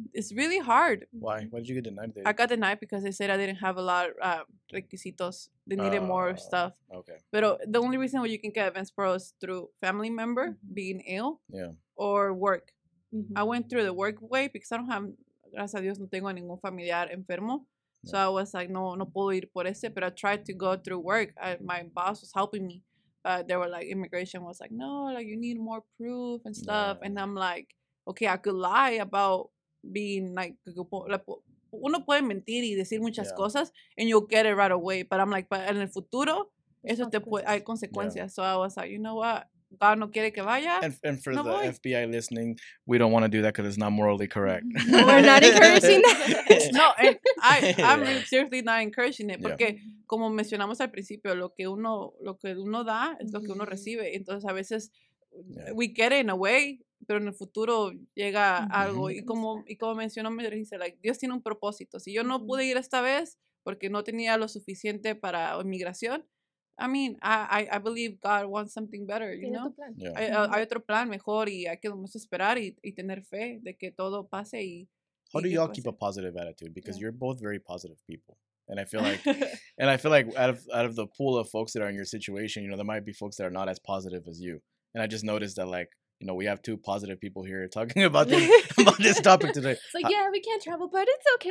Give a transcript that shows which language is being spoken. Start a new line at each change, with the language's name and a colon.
English: It's really hard. Why? Why did you get denied there? I got denied because they said I didn't have a lot of requisitos. They needed more stuff. Okay. But the only reason why you can get advanced parole is through family member being ill or work. I went through the work way because I don't have...
Spanish: Gracias a Dios, no tengo ningún familiar enfermo.
English: So I was like,
Spanish: no puedo ir por ese.
English: But I tried to go through work. My boss was helping me. But they were like, immigration was like, no, like, you need more proof and stuff. Yeah. And I'm like, okay, I could lie about being like,
Spanish: uno puede mentir y decir muchas cosas,
English: and you'll get it right away. But I'm like, but
Spanish: en el futuro, eso te puede, hay consecuencias.
English: Yeah. So I was like, you know what?
Spanish: God no quiere que vaya.
English: And for FBI listening, we don't want to do that because it's not morally correct. We're not encouraging that. No, I'm seriously not encouraging it.
Spanish: Porque como mencionamos al principio, lo que uno da es lo que uno recibe. Entonces a veces
English: we get it in a way,
Spanish: pero en el futuro llega algo. Y como mencionó, me dice, like, Dios tiene un propósito. Si yo no pude ir esta vez porque no tenía lo suficiente para inmigración,
English: I mean, I believe God wants something better, you know?
Spanish: Hay otro plan mejor y hay que esperar y tener fe de que todo pase y...
English: How do y'all keep a positive attitude? Because you're both very positive people. And I feel like out of the pool of folks that are in your situation, you know, there might be folks that are not as positive as you. And I just noticed that, like, you know, we have two positive people here talking about this topic today. It's like, we can't travel, but it's okay.